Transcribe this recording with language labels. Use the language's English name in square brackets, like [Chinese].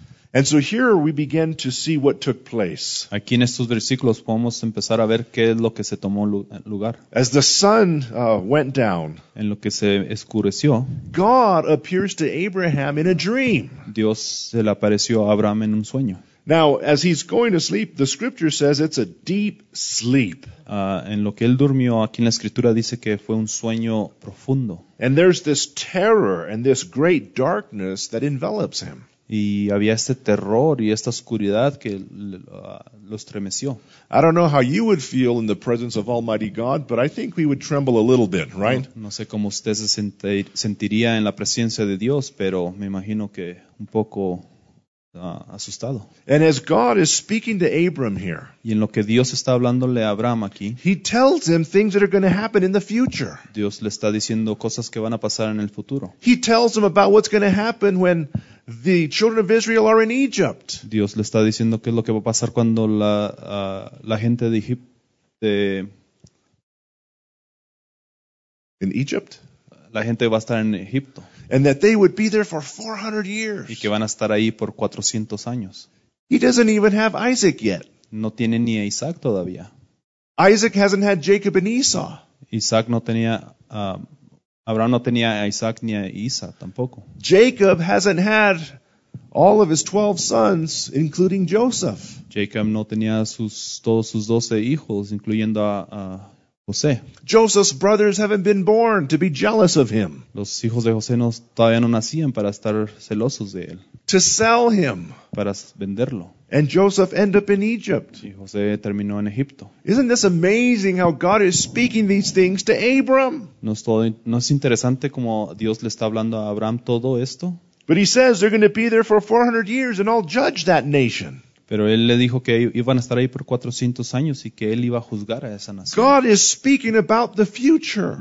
[English] And so here we begin to see what took place. [Spanish] Aquí en estos versículos podemos empezar a ver qué es lo que se tomó lugar. [English] As the sun went down, [Spanish] en lo que se escureció, [English] God appears to Abraham in a dream. [Spanish] Dios se le apareció a Abraham en un sueño. [English] Now, as he's going to sleep, the scripture says it's a deep sleep. [Spanish] En lo que él durmió, aquí en la escritura dice que fue un sueño profundo. [English] And there's this terror and this great darkness that envelops him. [Spanish] Y había este terror y esta oscuridad que lo estremeció. [English] I don't know how you would feel in the presence of Almighty God, but I think we would tremble a little bit, right? [Spanish] No sé cómo usted se sentiría en la presencia de Dios, pero me imagino que un poco asustado. [English] And as God is speaking to Abram here, [Spanish] y en lo que Dios está hablándole a Abraham aquí, [English] he tells him things that are going to happen in the future. [Spanish] Dios le está diciendo cosas que van a pasar en el futuro. [English] He tells him about what's going to happen when the children of Israel are in Egypt. [Spanish] Dios le está diciendo qué es lo que va a pasar cuando la gente de Egipto. [English] In Egypt? [Spanish] La gente va a estar en Egipto. [English] And that they would be there for 400 years. [Spanish] Y que van a estar ahí por 400 años. [English] He doesn't even have Isaac yet. [Spanish] No tiene ni a Isaac todavía. [English] Isaac hasn't had Jacob and Esau. [Spanish] Isaac no tenía. Abraham no tenía a Isaac ni a Esau tampoco. [English] Jacob hasn't had all of his 12 sons, including Joseph. [Spanish] Jacob no tenía todos sus 12 hijos, incluyendo a José. [English] Joseph's brothers haven't been born to be jealous of him. [Spanish] Los hijos de José todavía no nacían para estar celosos de él. [English] To sell him. [Spanish] Para venderlo. [English] And Joseph ended up in Egypt. [Spanish] Y José terminó en Egipto. [English] Isn't this amazing how God is speaking these things to Abram? [Spanish] ¿No es interesante como Dios le está hablando a Abraham todo esto? [English] But he says they're going to be there for 400 years and I'll judge that nation. [Spanish] Pero él le dijo que iban a estar ahí por 400 años y que él iba a juzgar a esa nación. [English] God is speaking about the future.